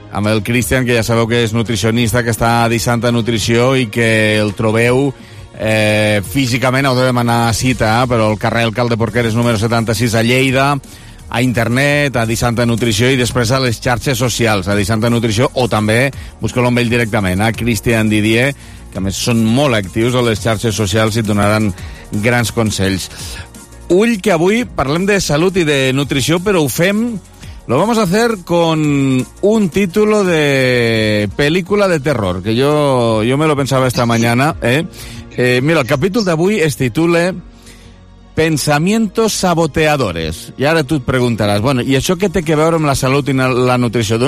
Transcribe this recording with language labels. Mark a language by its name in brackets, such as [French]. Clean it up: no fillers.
[Catalan] Amb el Cristian, que ja sabeu que és nutricionista, que està a Disanta Nutrició i que el trobeu físicament, heu de demanar cita, però el carrer Alcalde Porqueres número 76 a Lleida, a internet, a Disanta Nutrició i després a les xarxes socials, a Disanta Nutrició o també busqueu-lo amb ell directament, a Cristian Didier, que a més són molt actius a les xarxes socials i et donaran grans consells. Ull, que avui parlem de salut i de nutrició, però ho fem, [Spanish] lo vamos a hacer con un título de película de terror, que yo me lo pensaba esta mañana, mira, [Catalan] el capítol d'avui es titula [Spanish] Pensamientos saboteadores. [Catalan] I ara tu et preguntaràs, bueno, ¿y això què té que veure amb la salut i la nutrició?